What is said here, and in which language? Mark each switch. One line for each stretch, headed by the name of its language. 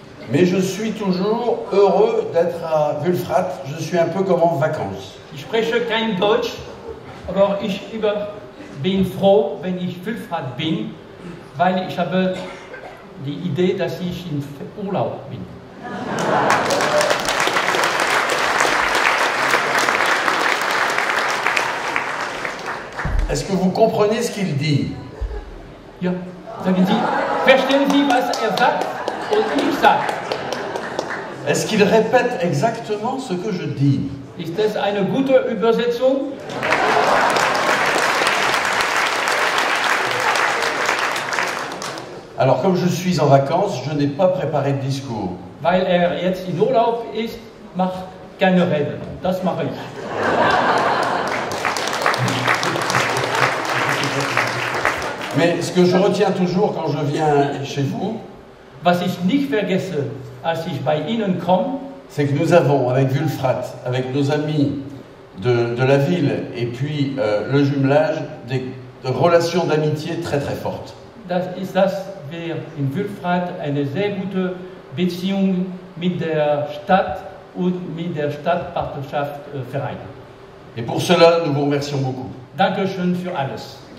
French: Mais je suis toujours heureux d'être à Wülfrath. Je suis un peu comme en vacances.
German: Ich spreche kein Deutsch, aber ich bin froh, wenn ich Wülfrath bin, weil ich habe die Idee, dass ich im Urlaub bin.
French: Est-ce que vous comprenez ce qu'il dit?
German: Ja, sagen Sie, verstehen Sie, was sagt und ich sage?
French: Est-ce qu'il répète exactement ce que je dis?
German: Ist das eine gute Übersetzung?
French: Alors, comme je suis en vacances, je n'ai pas préparé de discours.
German: Weil jetzt in Urlaub ist, mach keine Rede. Das mache ich.
French: Mais ce que je retiens toujours quand je viens chez vous,
German: was ich nicht vergesse, als ich bei Ihnen komme,
French: c'est que nous avons, avec Wülfrath, avec nos amis de la ville et puis le jumelage, des relations d'amitié très très fortes.
German: Das ist das, wir in Wülfrath eine sehr gute Beziehung mit der Stadt und mit der Stadtpartnerschaft vereinen.
French: Et pour cela, nous vous remercions beaucoup.
German: Dankeschön für alles.